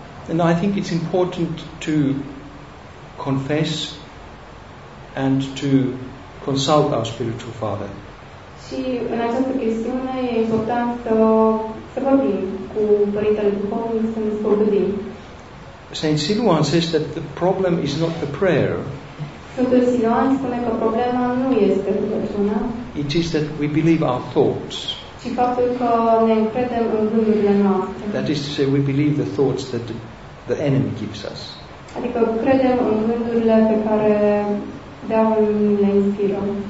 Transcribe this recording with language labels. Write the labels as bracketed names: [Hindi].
[English] And I think it's important to confess and to consult our spiritual father. [Romanian] Și în această chestiune e important să vorbim cu Părintele Duhovnic, să ne spovedim. [English] Saint Siluan says that the problem is not the prayer. [Romanian] Sfântul Siluan spune că problema nu este rugăciunea. [English] It is that we believe our thoughts. [Romanian] Și faptul că ne încredem în gândurile noastre. [English] That is to say, we believe the thoughts that the enemy gives us. [Romanian] Adică credem în gândurile pe care diavolul ne inspiră.